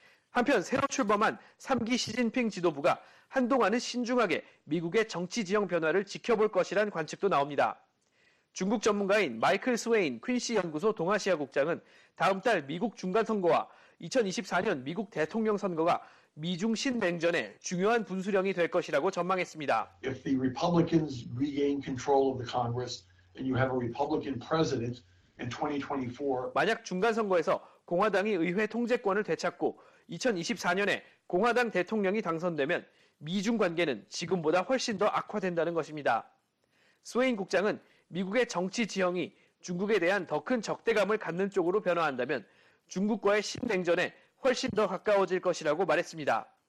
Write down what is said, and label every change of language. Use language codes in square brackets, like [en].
[ko] 한편 새로 출범한 3기 시진핑 지도부가 한동안은 신중하게 미국의 정치 지형 변화를 지켜볼 것이란 관측도 나옵니다. 중국 전문가인 마이클 스웨인 퀸시 연구소 동아시아 국장은 다음 달 미국 중간선거와 2024년 미국 대통령 선거가 미중 신냉전의 중요한 분수령이 될 것이라고 전망했습니다. [en] If the Republicans regain control of the Congress and you have a Republican president in 2024, [ko] 만약 중간선거에서 공화당이 의회 통제권을 되찾고 2024년에 공화당 대통령이 당선되면 미중 관계는 지금보다 훨씬 더 악화된다는 것입니다. 스웨인 국장은 미국의 정치 지형이 중국에 대한 더 큰 적대감을 갖는 쪽으로 변화한다면 중국과의 신냉전에 훨씬 더 가까워질 것이라고 말했습니다.